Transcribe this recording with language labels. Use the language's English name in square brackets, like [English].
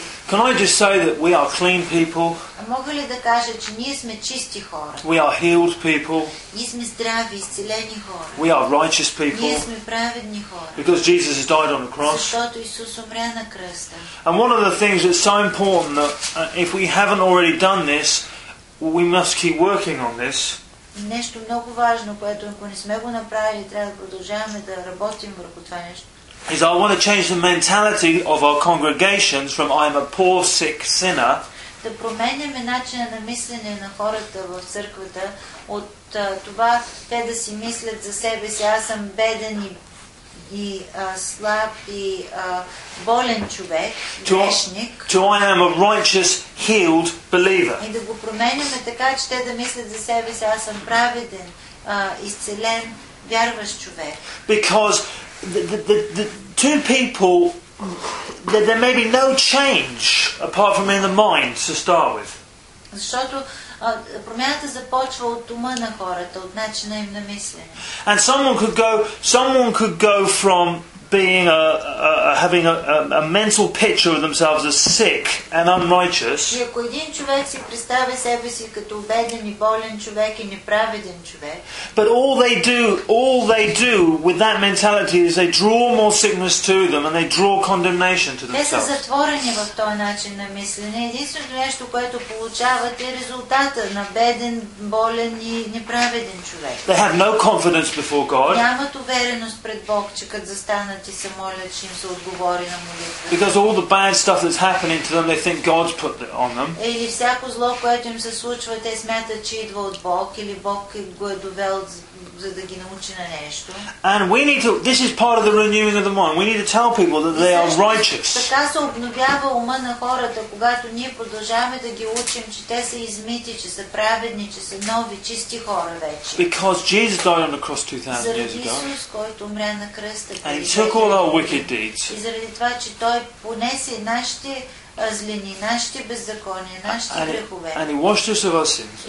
[English] Can I just say that we are clean people? [Bulgarian] Мога ли да кажа, че ние сме чисти хора? [English] We are healed people. [Bulgarian] Ние сме здрави, изцелени хора. [English] We are righteous people. [Bulgarian] Ние сме праведни хора. [English] Because Jesus has died on the cross. [Bulgarian] Защото Исус умря на кръста. [English] And one of the things that's so important that if we haven't already done this, we must keep working on this. [Bulgarian] Нещо много важно, което ако не сме го направили, трябва да продължаваме да работим върху това нещо. [English] Is I want to change the mentality of our congregations from I'm a poor sick sinner. [Bulgarian] Да променяме начина на мислене на хората в църквата от това те да си мислят за себе си, аз съм беден и слаб и болен човек, грешник. [English] I am a righteous, healed believer. [Bulgarian] И да го променяме така, че те да мислят за себе си, аз съм праведен, изцелен, вярващ човек. [English] Because the two people, there may be no change apart from in the mind to start with. [Bulgarian] Защото промяната започва от ума на хората, от начина им на мислене. [English] And someone could go from being having a mental picture of themselves as sick and unrighteous. [Bulgarian] И ако един човек си представя себе си като беден и болен човек и неправеден човек. [English] But all they do with that mentality is they draw more sickness to them and they draw condemnation to themselves. [Bulgarian] Те са затворени в този начин на мислене. Единственото нещо, което получават, е резултата на беден, болен и неправеден човек. [English] They have no confidence before God. [Bulgarian] Нямат увереност пред Бог, че като застанат и се молят, че им се отговори на молитва. [English] Because all the bad stuff that's happening to them, they think God's put it on them. [Bulgarian] Или всяко зло, което им се случва, те смятат, че идва от Бог, или Бог го е довел, за да ги научи на нещо. [English] And we need to, this is part of the renewing of the mind. We need to tell people that they are righteous. [Bulgarian] Така се обновява ума на хората, когато ние продължаваме да ги учим, че те са измити, че са праведни, че са нови, чисти хора вече. [English] Because Jesus died on the cross 2000 years ago. [Bulgarian] Заради Исус, който умря на кръста. [English] Took all our wicked deeds. [Bulgarian] И заради това, че той понесе нашите злини, нашите беззакония, нашите грехове. [English] And he washed us of our sins.